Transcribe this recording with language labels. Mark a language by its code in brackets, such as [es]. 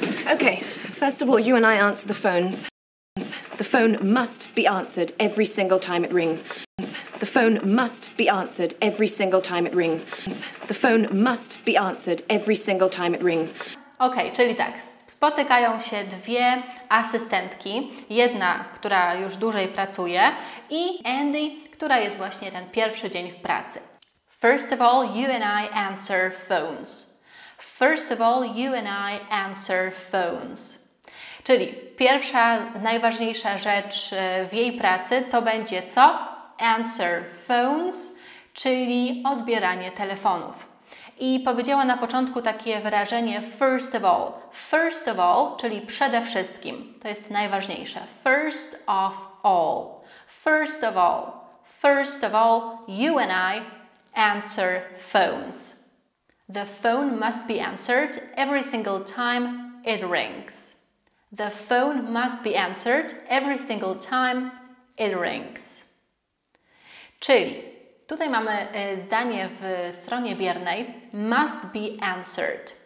[en] Okay, first of all, you and I answer the phones. The phone must be answered every single time it rings. The phone must be answered every single time it rings. The phone must be answered every single time it rings. [pl] Okay, czyli tak, spotykają się dwie asystentki. Jedna, która już dłużej pracuje i Andy, która jest właśnie ten pierwszy dzień w pracy. [en] First of all, you and I answer phones. First of all, you and I answer phones. [pl] Czyli pierwsza, najważniejsza rzecz w jej pracy to będzie co? [en] Answer phones, [pl] czyli odbieranie telefonów. I powiedziała na początku takie wyrażenie [en] first of all. First of all, [pl] czyli przede wszystkim. To jest najważniejsze. [en] First of all. First of all. First of all, you and I answer phones. The phone must be answered every single time it rings. The phone must be answered every single time it rings. [pl] Czyli tutaj mamy zdanie w stronie biernej [en] must be answered.